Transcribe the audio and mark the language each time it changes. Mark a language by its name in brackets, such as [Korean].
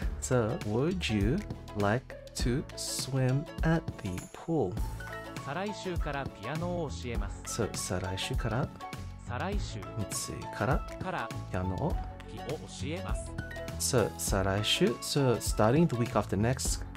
[English] So would you like to swim at the pool. [Japanese] 再来週からピアノを教えます。 So, 再来週から? 再来週からピアノを教えます。 [English] So, 再来週, so starting the week after next.